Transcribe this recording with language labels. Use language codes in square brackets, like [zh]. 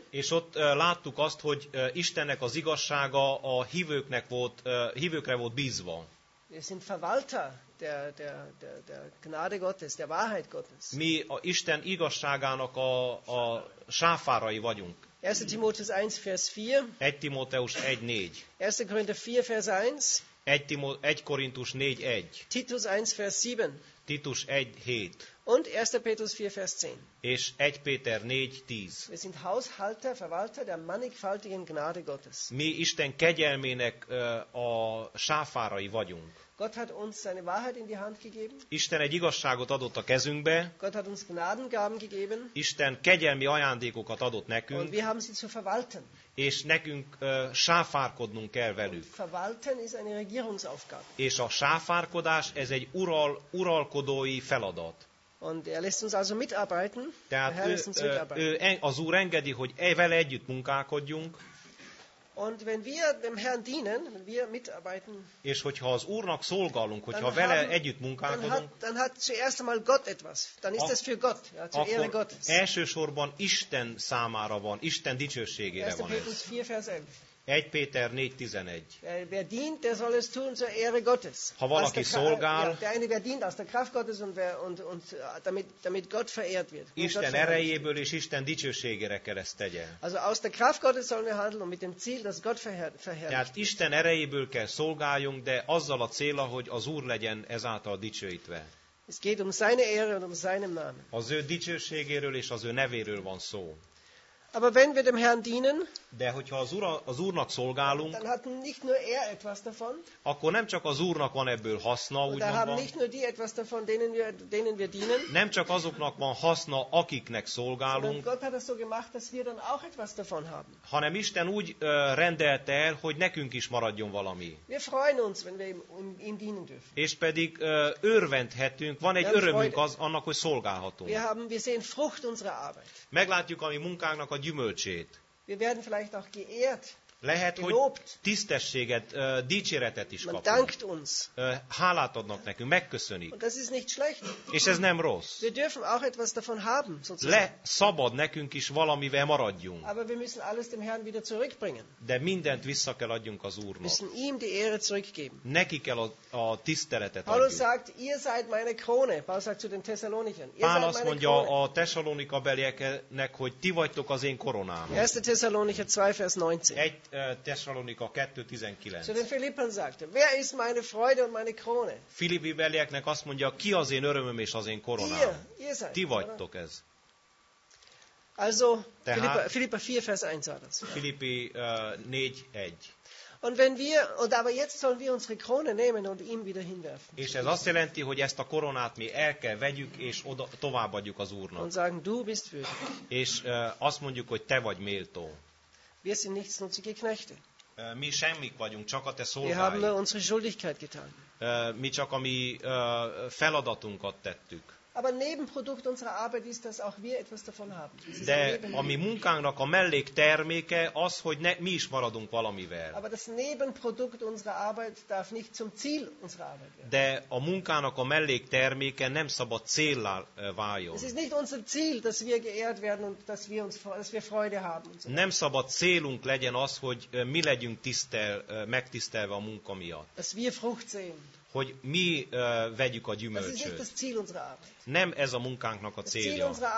[hu] És ott láttuk azt, hogy Istennek az igazsága a hívőknek volt, hívőkre volt bízva. [de] Wir sind Verwalter der Gnade Gottes, der Wahrheit Gottes. [hu] Mi a Isten igazságának a sáfárai vagyunk. [de] 1. Timóteus 1, Vers 4. [hu] 1. Timóteus 1, 4. [de] 1. Korinther 4, Vers 1. [hu] 1. Korintus 4, 1. [de] Titus 1, Vers 7. [hu] Titus 1, 7. [de] Und 1. Petrus 4, Vers 10. [hu] És 1. Péter 4, 10. [de] Wir sind Haushalter, Verwalter der mannigfaltigen Gnade Gottes. [hu] Mi Isten kegyelmének a sáfárai vagyunk. [de] Gott hat uns seine Wahrheit in die Hand gegeben. [hu] Isten egy igazságot adott a kezünkbe. [de] Gott hat uns Gnadengaben gegeben. [hu] Isten kegyelmi ajándékokat adott nekünk. [de] Und wir haben sie zu verwalten. [hu] És nekünk sáfárkodnunk kell velük. [de] Und verwalten ist eine Regierungsaufgabe. [hu] És a sáfárkodás, ez egy uralkodói feladat. [de] Und er lässt uns also mitarbeiten. [hu] Tehát az Úr engedi, hogy vele együtt munkálkodjunk. [de] Und wenn wir dem Herrn dienen, wenn wir mitarbeiten, [hu] és hogyha az Úrnak szolgálunk, hogyha vele együtt munkálkodunk, [de] dann hat zuerst einmal Gott etwas. Dann ist es für Gott, ja, zur Ehre Gottes. [hu] Elsősorban Isten számára van, Isten dicsőségére van ez. 1. Péter 4:11. [de] Wer dient, der soll es tun zur Ehre Gottes. [hu] Ha valaki szolgál, [de] der eine, wer dient aus der Kraft Gottes und damit Gott verehrt wird. [hu] Isten erejéből és Isten dicsőségére kell ezt tegye. [de] Also aus der Kraft Gottes sollen wir handeln mit dem Ziel, dass Gott verherrlicht. [hu] Tehát Isten erejéből kell szolgáljunk, de azzal a célra, hogy az Úr legyen ezáltal dicsőítve. [de] Es geht um seine Ehre und um seinen Namen. [hu] Az ő dicsőségéről és az ő nevéről van szó. [de] Aber wenn wir dem Herrn dienen, [hu] de hogyha az Úrnak szolgálunk, [de] dann hat nicht nur er etwas davon, [hu] akkor nem csak az Úrnak van ebből haszna, úgymond. [de] Da haben nicht nur die etwas davon, denen wir dienen. [hu] Nem csak azoknak van haszna, akiknek szolgálunk. [de] Gott hat das so gemacht, dass wir dann auch etwas davon haben. [hu] Hanem Isten úgy rendelte el, hogy nekünk is maradjon valami. [de] Wir freuen uns, wenn wir ihm dienen dürfen. [hu] És pedig örvendhetünk, van egy örömünk az annak, hogy szolgálhatunk. [de] Wir sehen Frucht unserer Arbeit. [hu] Meglátjuk a mi munkánknak a gyümölcsét. [de] Wir werden vielleicht auch geehrt. [hu] Lehet, [de] gelobt. [hu] Hogy tisztességet, dicséretet is kapunk. [de] Man dankt uns. [hu] Hálát adnak nekünk, megköszönik. [de] Und das ist nicht schlecht. [hu] És ez nem rossz. [de] Wir dürfen auch etwas davon haben, sozusagen. [hu] Szabad nekünk is valamivel maradjunk. [de] Aber wir müssen alles dem Herrn wieder zurückbringen. [hu] De mindent vissza kell adjunk az Úrnak. [de] Müssen ihm die Ehre zurückgeben. [hu] Neki kell a tiszteletet adjunk. [de] Paulus sagt, ihr seid meine Krone. Paul sagt zu den Thessalonikern. [hu] Pál azt mondja a Tessalonika belieknek, hogy ti vagytok az én koronám. [de] 1. Thessalonicher 2, Vers 19. [hu] Thessalonika 2:19. [de] Zu den Philippern sagte, wer ist meine Freude und meine Krone? [hu] Filippi belieknek azt mondja, ki az én örömöm és az én koronám. [de] Ihr seid, [hu] ti vagytok ez. [de] Also, Philippa 4, Vers 1 war das. [hu] Filippi 4, 1. [de] Und wenn wir, und aber jetzt sollen wir unsere Krone nehmen und ihm wieder hinwerfen. [hu] És ez azt jelenti, hogy ezt a koronát mi el kell vegyük, és oda, továbbadjuk az Úrnak. [de] Und sagen, du bist würdig. [hu] És azt mondjuk, hogy te vagy méltó. [de] Wir sind nichts nutzige Knechte. [hu] Mi semmik vagyunk, csak a te szolgáid. [de] Wir haben unsere Schuldigkeit getan. [hu] Mi csak a mi feladatunkat tettük. [de] Aber Nebenprodukt unserer Arbeit ist, dass auch wir etwas davon haben. [hu] De a mi munkánknak a mellékterméke az, hogy mi is maradunk valamivel. [de] Aber das Nebenprodukt unserer Arbeit darf nicht zum Ziel unserer Arbeit werden. [hu] De a munkának a mellékterméke nem szabad céllá váljon. [de] Es ist nicht unser Ziel, dass wir geehrt werden und dass wir Freude haben. Und so. [hu] Nem szabad célunk legyen az, hogy mi legyünk megtisztelve a munka miatt. [de] Dass wir Frucht sehen. [hu] Hogy mi vegyük a gyümölcsöt. Nem ez a munkánknak a célja.